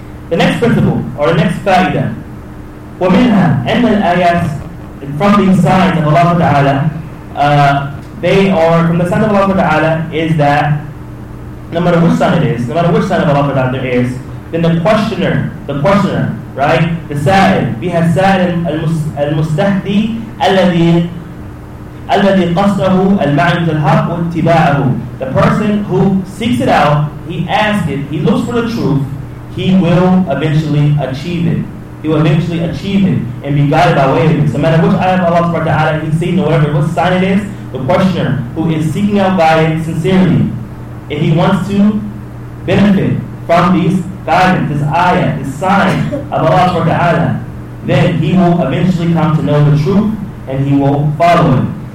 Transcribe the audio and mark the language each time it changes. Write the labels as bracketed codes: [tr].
[en] The next principle, or the next faida, [ar] وَمِنْهَا أَنَّ الْآيَاتِ [en] from the signs of Allah Ta'ala, they are, from the signs of Allah Ta'ala, is that no matter which sign it is, no matter which sign of Allah there is, then the questioner, right? The sa'il. [ar] بها السائل المستهدي الذي الذي قصده المعرفة الحق واتباعه. [en] The person who seeks it out, he asks it, he looks for the truth, he will eventually achieve it. He will eventually achieve it and be guided by way of it. So no matter which ayah of Allah subhanahu wa ta'ala he's seen or whatever, what sign it is, the questioner who is seeking out guidance sincerely, if he wants to benefit from these guidance, this ayah, this sign of Allah subhanahu wa ta'ala, then he will eventually come to know the truth and he will follow it.